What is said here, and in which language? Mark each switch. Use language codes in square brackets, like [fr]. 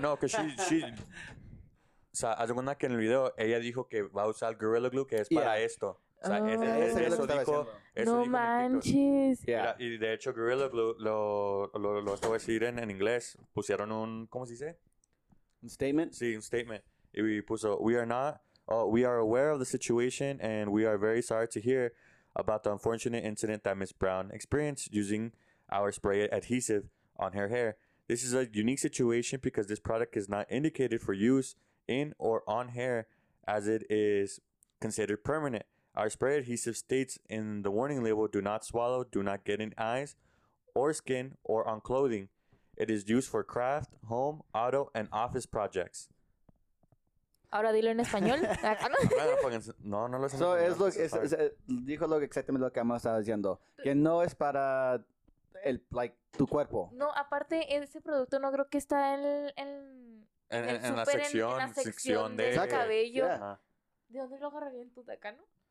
[es] No, que she o sea, hace cuenta que en el video ella dijo que va a usar Gorilla Glue, que es para esto. O sea, oh, eso dijo. No manches. Yeah. Y de hecho, Gorilla Glue, lo estaba diciendo en inglés, pusieron un, ¿cómo se dice? Un statement. Sí, un statement. Y puso, [en] we are aware of the situation and we are very sorry to hear about the unfortunate incident that Ms. Brown experienced using our spray adhesive on her hair. This is a unique situation because this product is not indicated for use in or on hair as it is considered permanent. Our spray adhesive states in the warning label, do not swallow, do not get in eyes or skin or on clothing. It is used for craft, home, auto, and office projects. [es] Ahora dilo en español. No lo sé. So es lo que dijo exactamente lo que Amado estaba diciendo. Que no es para el tu cuerpo. No, aparte ese producto no creo que está en la sección de cabello. Yeah. ¿De dónde lo agarraría en tu tacano?